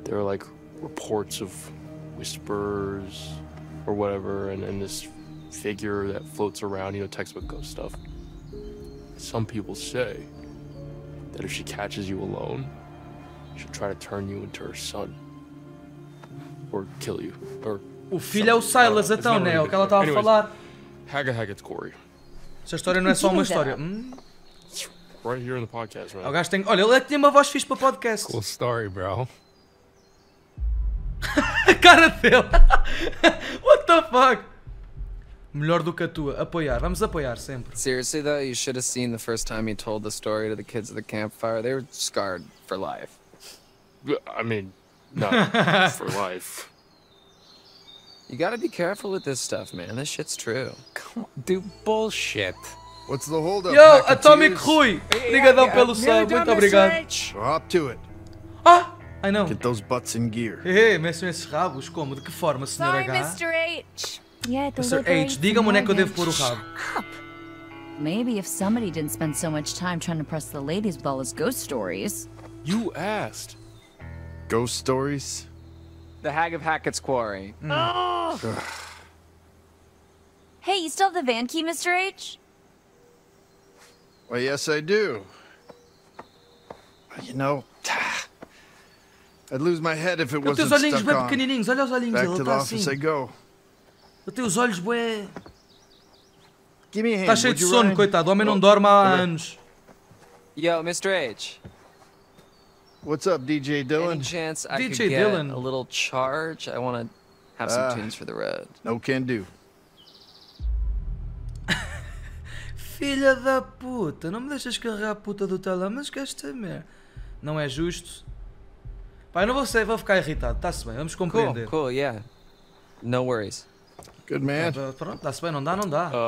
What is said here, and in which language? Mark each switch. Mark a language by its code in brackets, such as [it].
[en] There are like reports of whispers or whatever, and this figure that floats around, you know, textbook ghost stuff. Some people say that if she catches you alone, she'll try to turn you into her son. Or kill you. Or [pt] o filho [en] something. [pt] É o Silas, então, né? [en] Really [pt] o que ela estava a falar. [en] Hag of Hackett's Quarry. [pt] Essa história não é só uma história. [en] It's right here in the podcast, man. [pt] O gajo tem... Olha, ele tinha uma voz fixe para podcast. [en] Cool story, bro. [pt] Cara dele. [en] What the fuck? [pt] Melhor do que a tua. Apoiar. Vamos apoiar sempre. [en] Seriously, though, you should have seen the first time you told the story to the kids at the campfire. They were scarred for life. I mean, not for life. You gotta be careful with this stuff, man. This shit's true. Come on, dude. Bullshit. What's the holdup? [pt] Yo, Atomic Rui. Obrigado pelo sub. Muito obrigado. [en] Hop to it. Ah! I know. Get those butts in gear. [pt] Hey, mexam esses rabos. Como? De que forma, Sr. H? [en] Sorry, Mr. H. [pt] Mr. H, diga-me onde é que eu devo pôr o rabo. [en] Maybe if somebody didn't spend so much time trying to press the ladies with all his ghost stories. You asked. Ghost stories? The Hag of Hackett's Quarry. Mm. Oh. Hey, you still have the van key, Mr. H? Well, yes, I do. You know... I'd lose my head if it wasn't stuck on. [pt] Olha os olhinhos bem pequenininhos. Olha os olhinhos. [en] Back to the office I go. [pt] Eu tenho os olhos bué... [en] Give me a hand. [pt] Tá cheio de sono, coitado. O homem não dorme há anos. [en] Yo, Mr. H. What's up, DJ Dylan? Any chance I DJ could get Dylan. A little charge? I want to have some tunes for the road. No can do. [pt] Filha da puta, não me deixas carregar a puta do telão, mas que esta merda. Não é justo. Pai, não vou ser, vou ficar irritado. Tá-se bem, vamos compreender. [en] Cool, cool, yeah. No worries. Good man. [pt] Pronto, tá-se bem, não dá, não dá.